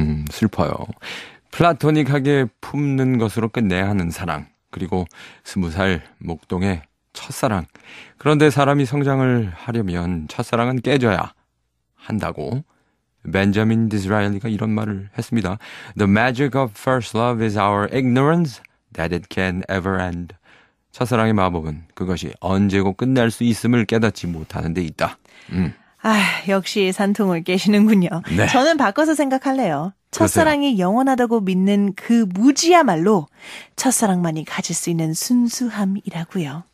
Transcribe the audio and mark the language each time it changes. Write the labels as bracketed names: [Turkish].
[Korean] 슬퍼요. 플라토닉하게 품는 것으로 끝내야 하는 사랑. 그리고 20살 목동의 첫사랑. 그런데 사람이 성장을 하려면 첫사랑은 깨져야 한다고 벤자민 디스라엘리가 이런 말을 했습니다. [English] The magic of first love is our ignorance that it can ever end. [Korean] 첫사랑의 마법은 그것이 언제고 끝날 수 있음을 깨닫지 못하는 데 있다. 아, 역시 산통을 깨시는군요. 네. 저는 바꿔서 생각할래요. 첫사랑이 그러세요. 영원하다고 믿는 그 무지야말로 첫사랑만이 가질 수 있는 순수함이라고요.